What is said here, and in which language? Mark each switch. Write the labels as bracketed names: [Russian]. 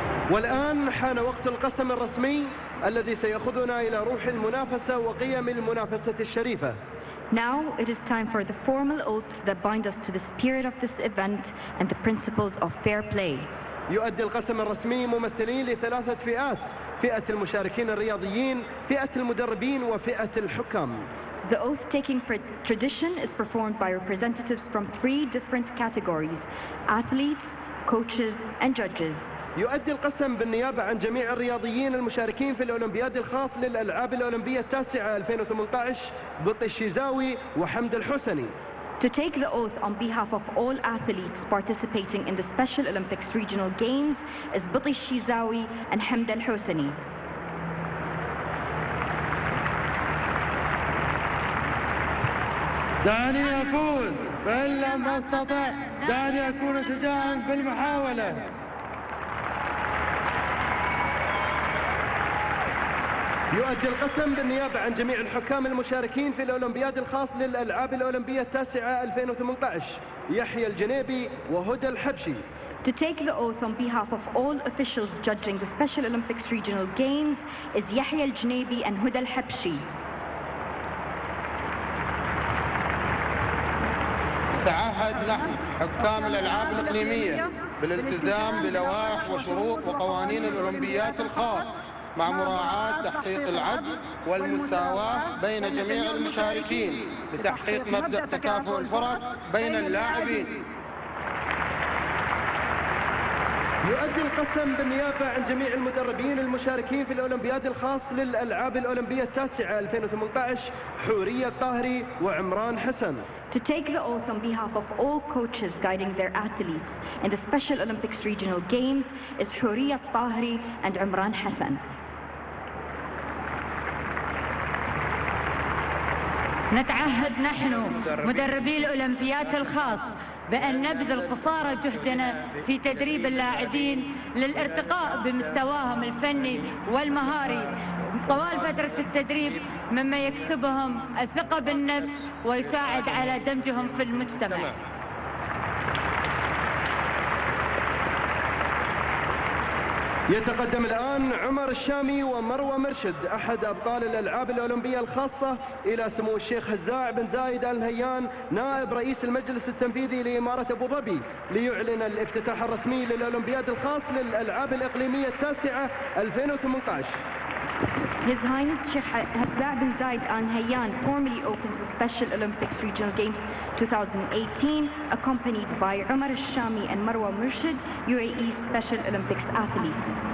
[Arabic] والآن حان وقت القسم الرسمي الذي سيأخذنا إلى روح المنافسة وقيم المنافسة الشريفة. [English] Now it is time for the formal oaths that bind us to the spirit of this event and the principles of fair play. [Arabic] يؤدي القسم الرسمي ممثلين لثلاثة فئات: فئة المشاركين الرياضيين، فئة المدربين، وفئة الحكام. [English] The oath-taking tradition is performed by representatives from three different categories: athletes, coaches, and judges. [Arabic] يؤدي القسم بالنيابة عن جميع الرياضيين المشاركين في الأولمبياد الخاص للألعاب الأولمبية التاسعة 2018 بطي الشيزاوي وحمد الحسني. [English] To take the oath on behalf of all athletes participating in the Special Olympics Regional Games is Bati Shizawi and Hamd al-Husseini. [Arabic] دعني أفوز فإن لم أستطع دعني أكون شجاعا في المحاولة. يؤدي القسم بالنيابة عن جميع الحكام المشاركين في الأولمبياد الخاص للألعاب الأولمبية التاسعة 2018 يحيى الجنيبي وهدى الحبشي. [English] To take the oath on behalf of all officials judging the Special Olympics Regional Games is Yahya Al Junaibi and Huda Al Habshi. [Arabic] نتعهد نحن حكام الألعاب الإقليمية بالالتزام بلوائح وشروط وقوانين الأولمبيات الخاص مع مراعاة تحقيق العدل والمساواة بين جميع المشاركين لتحقيق مبدأ تكافؤ الفرص بين اللاعبين. يؤدي القسم بالنيابة عن جميع المدربين المشاركين في الأولمبياد الخاص للألعاب الأولمبية التاسعة 2018 حورية قاهري وعمران حسن. [English] To take the oath on behalf of all coaches guiding their athletes in the Special Olympics Regional Games is Houria Kahri and Imran Hassan. [Arabic] نتعهد نحن مدربي الأولمبيات الخاص بأن نبذل قصارى جهدنا في تدريب اللاعبين للارتقاء بمستواهم الفني والمهاري طوال فترة التدريب، مما يكسبهم الثقة بالنفس ويساعد على دمجهم في المجتمع. يتقدم الآن عمر الشامي ومروى مرشد أحد أبطال الألعاب الأولمبية الخاصة إلى سمو الشيخ هزاع بن زايد آل نهيان نائب رئيس المجلس التنفيذي لإمارة أبوظبي ليعلن الافتتاح الرسمي للأولمبياد الخاص للألعاب الإقليمية التاسعة 2018. [English] His Highness Sheikh Hazza bin Zayed Al Nahyan formally opens the Special Olympics Regional Games 2018, accompanied by Umar Al-Shami and Marwa Murshid, UAE Special Olympics athletes.